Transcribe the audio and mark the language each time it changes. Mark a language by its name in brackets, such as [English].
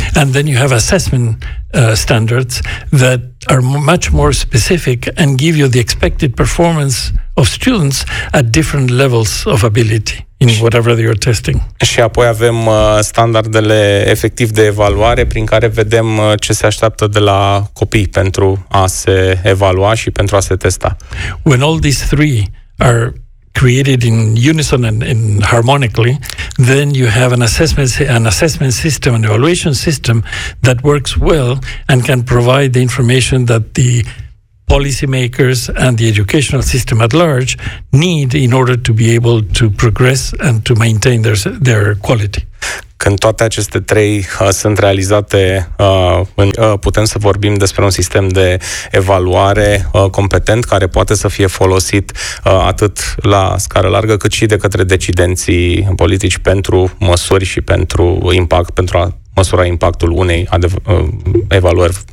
[English] And then you have assessment standards that are much more specific and give you the expected performance of students at different levels of ability in whatever you're testing. [Romanian] Și apoi avem standardele efectiv de evaluare prin care vedem ce se așteaptă de la copii pentru a se evalua și pentru a se testa. [English] When all these three are created in unison and in harmonically, then you have an assessment system, an evaluation system that works well and can provide the information that the policymakers and the educational system at large need in order to be able to progress and to maintain their quality. [Romanian] Când toate aceste trei sunt realizate, putem să vorbim despre un sistem de evaluare competent care poate să fie folosit atât la scară largă, cât și de către decidenții politici pentru măsuri și pentru impact, pentru a măsura impactul unei evaluări